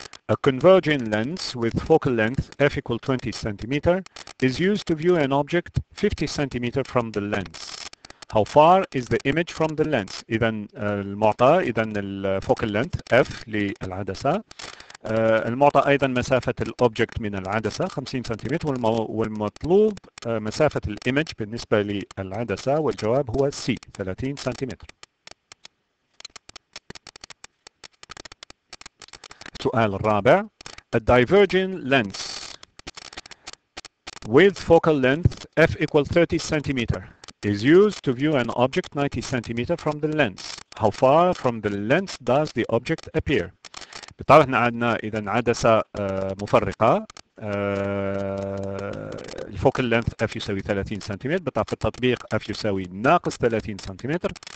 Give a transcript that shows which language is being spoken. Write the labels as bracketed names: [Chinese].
[English] A converging lens with focal length f equal 20 centimeter is used to view an object 50 centimeter from the lens. How far is the image from the lens? [Arabic] إذا المعطى، إذا focal length f للعدسة، المعطى أيضا مسافة الأوبجكت من العدسة 50 سنتيمتر، والمطلوب مسافة الإيمج بالنسبة للعدسة، والجواب هو C 30 سنتيمتر. السؤال الرابع. [English] A diverging lens with focal length f equal 30 centimeter is used to view an object 90 centimeter from the lens. How far from the lens does the object appear? [Arabic] بالطبع عندنا إذا عدسة مفرقة، الفوكال لينث f يساوي 30 سنتيمتر، بالطبع في التطبيق f يساوي ناقص 30 سنتيمتر.